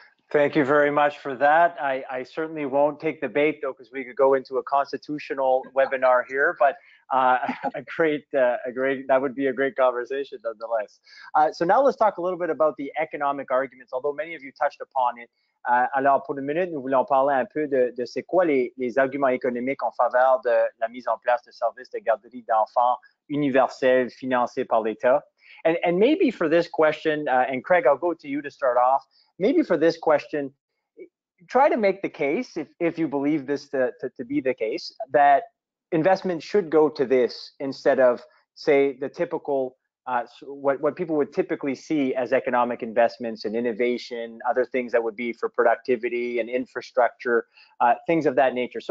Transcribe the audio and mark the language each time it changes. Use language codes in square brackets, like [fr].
[en] Thank you very much for that. I certainly won't take the bait though, because we could go into a constitutional webinar here, but that would be a great conversation nonetheless. So now let's talk a little bit about the economic arguments, although many of you touched upon it. [fr] Alors, pour une minute, nous voulons parler un peu de c'est quoi les arguments économiques en faveur de la mise en place de services de garderie d'enfants universels financés par l'État. [en] And maybe for this question, and Craig, I'll go to you to start off. Maybe for this question, try to make the case, if you believe this to be the case, that investment should go to this instead of, say, the typical what people would typically see as economic investments and innovation, other things that would be for productivity and infrastructure, things of that nature.